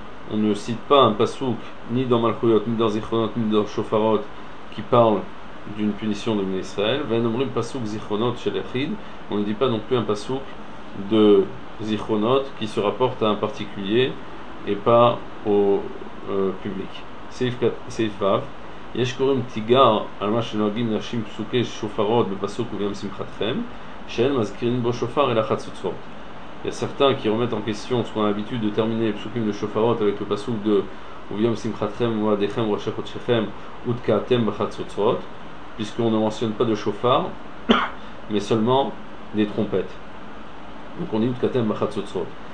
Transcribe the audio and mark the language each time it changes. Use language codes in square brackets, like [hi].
[fr] On ne cite pas un pasuk ni dans malchuyot, ni dans zichronot, ni dans chofarot qui parle d'une punition de Bnei Israël. [he] En omrim pasuk zichronot shel Echid. [fr] On ne dit pas non plus un pasuk de zichronot qui se rapporte à un particulier et pas au public. C'est fait. [he] יש קוראים תיגר על מה שנוהגים להשים פסוקי שופרות בפסוק וביום שמחתכם שאין מזכירים בו שופר אלא חצוצות. [fr] יש certains qui remettent en question ce qu'on a l'habitude de terminer les psukim de shofarot avec le pasuk de [he] וביום שמחתכם ומועדיכם וראשי חודשיכם ותקעתם בחצוצות, [fr] puisqu'on ne mentionne pas de shofar mais seulement des trompettes, donc on dit [he] ותקעתם בחצוצות.